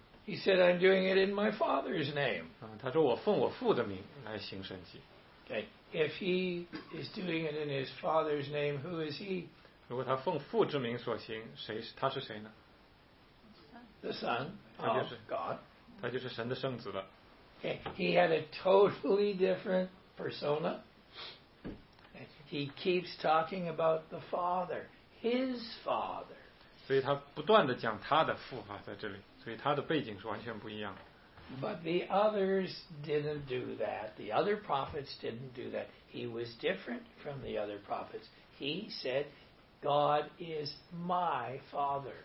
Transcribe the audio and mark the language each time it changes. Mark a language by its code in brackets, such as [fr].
[en] He said, I'm doing it in my Father's name. [zh] 他说我奉我父的名来行神迹。 [en] Okay, if he is doing it in his Father's name, who is he? [zh] 如果他奉父之名所行，他是谁呢？ [en] The Son of God. [zh] 他就是神的圣子了。 [en] Okay, he had a totally different persona. He keeps talking about the Father, his Father. [zh] 所以他不断地讲他的父在这里。所以他的背景是完全不一样的。 [en] But the others didn't do that. The other prophets didn't do that. He was different from the other prophets. He said, God is my father.